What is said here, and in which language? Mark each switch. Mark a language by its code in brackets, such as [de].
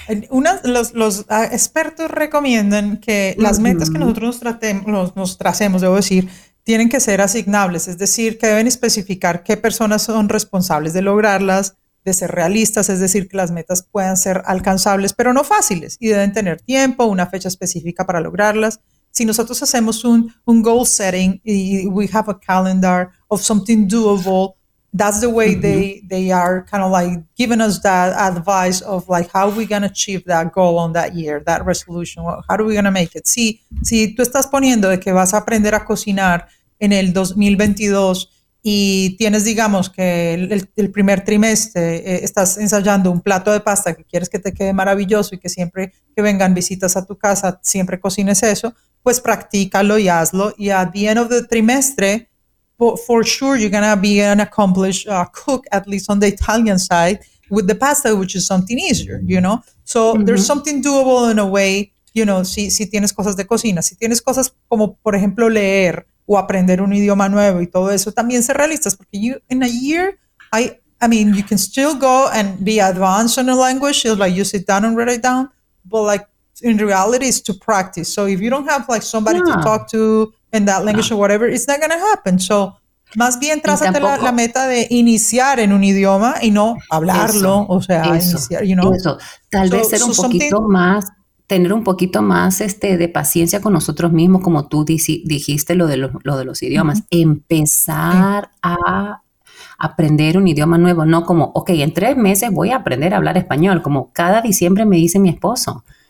[es] Bueno, los expertos recomiendan que las metas que nosotros nos tracemos, debo decir, tienen que ser asignables. Es decir, que deben especificar qué personas son responsables de lograrlas, de ser realistas, es decir, que las metas puedan ser alcanzables, pero no fáciles, y deben tener tiempo, una fecha específica para lograrlas. Si nosotros hacemos un [en] goal setting, y we have a calendar of something doable, that's the way they are kind of like giving us that advice of like how we're going to achieve that goal on that year, that resolution, how are we going to make it? [es] Si tú estás poniendo de que vas a aprender a cocinar en el 2022, y tienes, digamos, que el primer trimestre estás ensayando un plato de pasta que quieres que te quede maravilloso y que siempre que vengan visitas a tu casa siempre cocines eso, pues practícalo y hazlo. [en] Y at the end of the trimestre, for sure you're going to be an accomplished cook, at least on the Italian side, with the pasta, which is something easier, you know? So there's something doable in a way, you know, [es] si tienes cosas de cocina. Si tienes cosas como, por ejemplo, leer, o aprender un idioma nuevo y todo eso, también ser realistas, porque [en] you, in a year, I mean, you can still go and be advanced in a language, it's like you sit down and write it down, but like, in reality, it's to practice. So if you don't have like somebody to talk to in that language or whatever, it's not gonna happen. [es] So, más bien, trázate la meta de iniciar en un idioma y no hablarlo, iniciar, [en] you know. [es] Eso, tal vez ser un poquito más... tener un poquito más de paciencia con nosotros mismos, como tú dijiste lo de los idiomas. Empezar a aprender un idioma nuevo, no como, okay, en tres meses voy a aprender a hablar español, como cada diciembre me dice mi esposo.